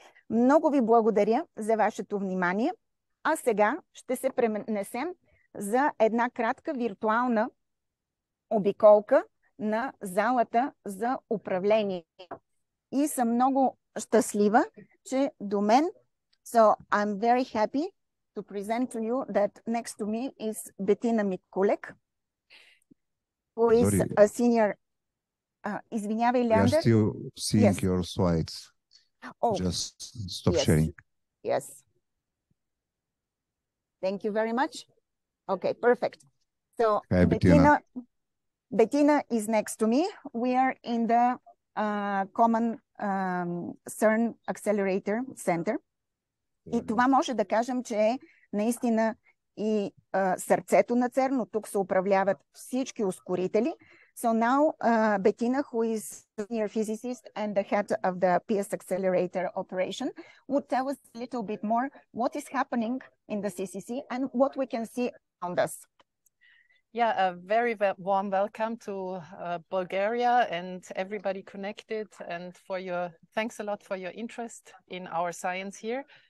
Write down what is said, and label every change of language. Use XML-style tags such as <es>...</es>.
<bg>Много ви благодаря за вашето внимание, а сега ще се пренесем за една кратка виртуална обиколка на залата за управление. И съм много щастлива, че до мен.</bg> <en>So I'm very happy to present to you that next to me is Bettina Mikulek, who is a senior.</en> <bg>Извинявай, Леандър.</bg> <en>You're still seeing your slides. Oh. Just stop sharing. Yes. Thank you very much. Okay, perfect. So hi, Bettina. Bettina is next to me. We are in the common CERN Accelerator Center.</en> <bg>И това може да кажем, че е наистина и сърцето на ЦЕРН, но тук се управляват всички ускорители.</bg> <en>So now Bettina, who is senior physicist and the head of the PS Accelerator operation, would tell us a little bit more what is happening in the CCC and what we can see around us. Yeah, a very warm welcome to Bulgaria and everybody connected, and for your thanks a lot for your interest in our science here.</en>